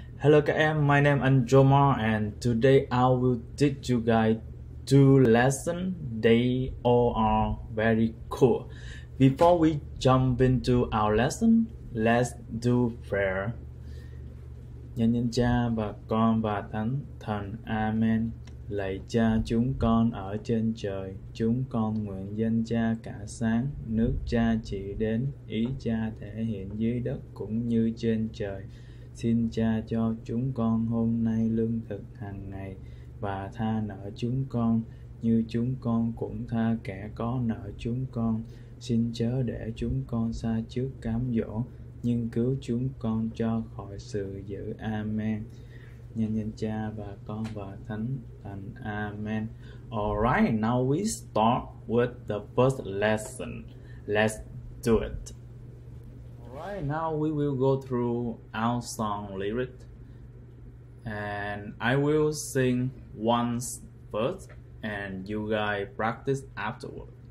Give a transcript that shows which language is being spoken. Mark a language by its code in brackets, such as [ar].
[en] Hello [vi] các em, [en] my name is Jomar and today I will teach you guys two lessons. They all are very cool. Before we jump into our lesson, let's do prayer. [vi] Nhân nhân cha và con và thánh thần, Amen. Lạy cha chúng con ở trên trời, chúng con nguyện danh cha cả sáng, nước cha chỉ đến, ý cha thể hiện dưới đất cũng như trên trời. Xin cha cho chúng con hôm nay lương thực hàng ngày và tha nợ chúng con như chúng con cũng tha kẻ có nợ chúng con. Xin chớ để chúng con sa trước cám dỗ, nhưng cứu chúng con cho khỏi sự dữ. Amen. Nhân danh cha và con và thánh thần. Amen. [en] Alright, now we start with the first lesson. Let's do it. Right now we will go through our song lyric and I will sing once first and you guys practice afterward.